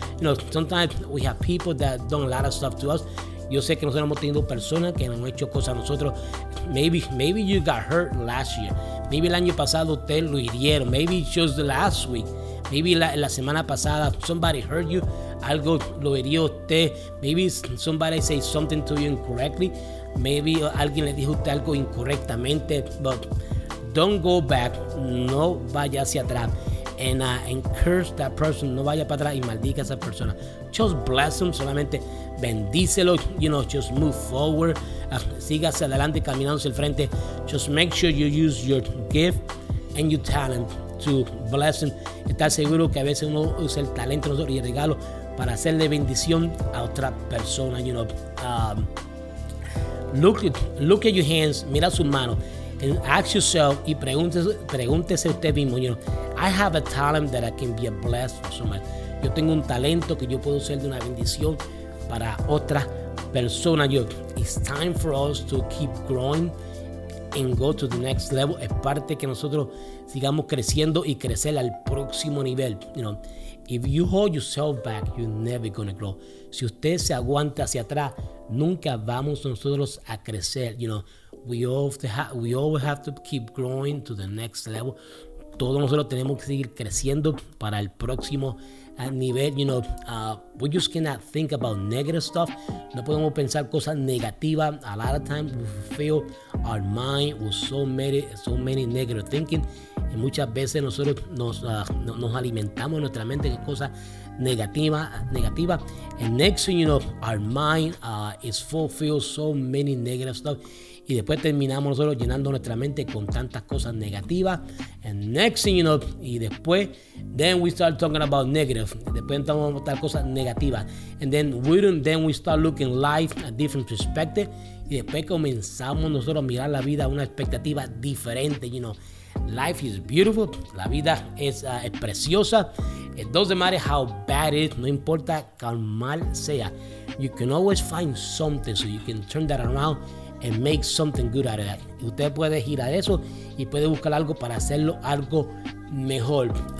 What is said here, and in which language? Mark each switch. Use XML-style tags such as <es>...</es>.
<en>You know, sometimes we have people that done a lot of stuff to us.</en> <es>Yo sé que nosotros hemos tenido personas que han hecho cosas a nosotros.</es> <en>Maybe you got hurt last year.</en> <es>Maybe el año pasado usted lo hirieron.</es> <en>Maybe it's just the last week. Maybe</en> <es>la semana pasada</es> <en>somebody hurt you.</en> <es>Algo lo hirió usted.</es> <en>Maybe somebody said something to you incorrectly.</en> <es>Maybe alguien le dijo usted algo incorrectamente.</es> <en>But don't go back.</en> <es>No vaya hacia atrás.</es> <en>And curse that person.</en> <es>No vaya para atrás y maldiga a esa persona.</es> <en>Just bless them.</en> <es>Solamente bendícelo.</es> <en>You know, just move forward.</en> <es>Sígase adelante caminando hacia el frente.</es> <en>Just make sure you use your gift and your talent to bless them.</en> <es>Está seguro que a veces uno usa el talento y el regalo para hacerle bendición a otra persona.</es> <en>You know, look at your hands.</en> <es>Mira sus manos.</es> <en>And ask yourself</en> <es>y pregúntese usted mismo,</es> <en>you know, I have a talent that I can be a blessing for someone.</en> <es>Yo tengo un talento que yo puedo ser de una bendición para otra persona.</es> <en>You know, it's time for us to keep growing and go to the next level.</en> <es>Es parte que nosotros sigamos creciendo y crecer al próximo nivel.</es> <en>You know, if you hold yourself back, you're never going to grow.</en> <es>Si usted se aguanta hacia atrás, nunca vamos nosotros a crecer, you know.</es> <en>We always have to keep growing to the next level.</en> <es>Todos nosotros tenemos que seguir creciendo para el próximo nivel.</es> <en>You know, we just cannot think about negative stuff.</en> <es>No podemos pensar cosas negativas.</es> <en>A lot of times we fill our mind with so many negative thinking.</en> <es>Y muchas veces nosotros nos alimentamos nuestra mente con cosas negativa.</es> <en>And next thing you know, our mind is fulfilled so many negative stuff.</en> <es>Y después terminamos nosotros llenando nuestra mente con tantas cosas negativas.</es> <en>And next thing you know,</en> <es>y después,</es> <en>then we start talking about negative.</en> <es>Después entramos a estar cosas negativas.</es> <en>And then we start looking life a different perspective.</en> <es>Y después comenzamos nosotros a mirar la vida a una expectativa diferente.</es> <en>You know, life is beautiful.</en> <es>La vida es preciosa.</es> <en>It doesn't matter how bad it is.</en> <es>No importa cuán mal sea.</es> <en>You can always find something so you can turn that around and make something good out of that.</en> <es>Usted puede girar eso y puede buscar algo para hacerlo algo mejor.</es>